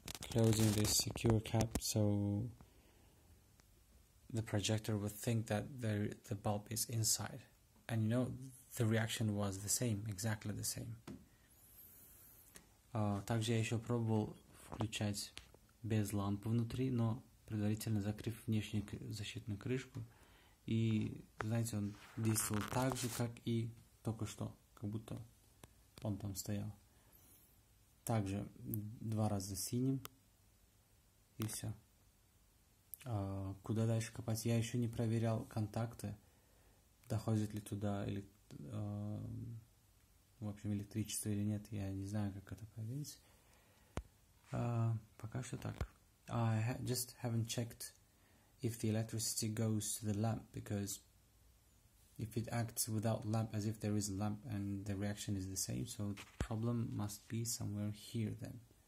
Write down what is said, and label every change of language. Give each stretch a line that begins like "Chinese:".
English: Closing this secure cap so the projector would think that the bulb is inside, and you know the reaction was the same, exactly the same.
Russian: Также я еще пробовал включать без лампы внутри, но предварительно закрыв внешнюю защитную крышку, и знаете, он действовал так же, как и только что, как будто он там стоял. Также два раза синим. И все. Куда дальше копать? Я еще не проверял контакты, доходит ли туда электричество или нет. Я не знаю, как это проверить. Пока что так.
English: I just haven't checked if the electricity goes to the lamp, because if it acts without lamp, as if there is a lamp and the reaction is the same, so the problem must be somewhere here then.